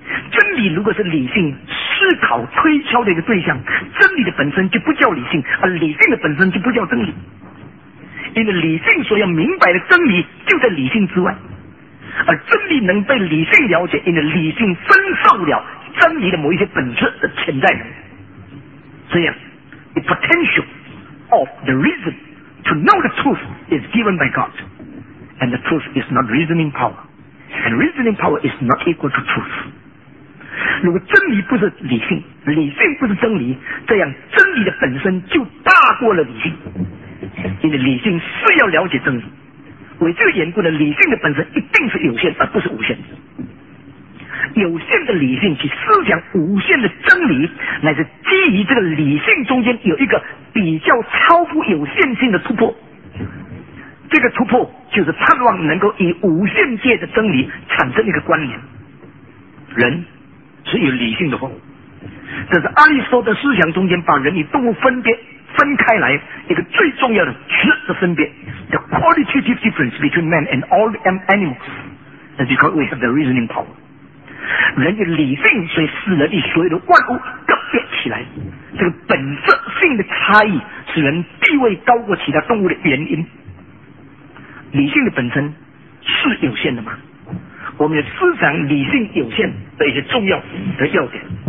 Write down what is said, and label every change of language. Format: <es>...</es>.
<zh>真理如果是理性思考推敲的一个对象，真理的本身就不叫理性，而理性的本身就不叫真理。因为理性所要明白的真理就在理性之外，而真理能被理性了解，因为理性分受了真理的某一些本质的潜在能力。这样</zh> <en>the potential of the reason to know the truth is given by God, and the truth is not reasoning power, and reasoning power is not equal to truth.</en> <zh>如果真理不是理性，理性不是真理，这样真理的本身就大过了理性，因为理性是要了解真理。为这个缘故呢，理性的本身一定是有限而不是无限的。有限的理性去思想无限的真理，乃是基于这个理性中间有一个比较超乎有限性的突破。这个突破就是盼望能够与无限界的真理产生一个关联。人是有理性的动物，这是阿里斯托的思想中间把人与动物分别分开来一个最重要的质的分别。</zh> <en>The qualitative difference between man and all the animals is because we have the reasoning power.</en> <zh>人的理性，所以使人与所有的万物个别起来。这个本质性的差异，使人地位高过其他动物的原因。理性的本身是有限的吗？我们要思想理性有限的一些重要的要点。</zh>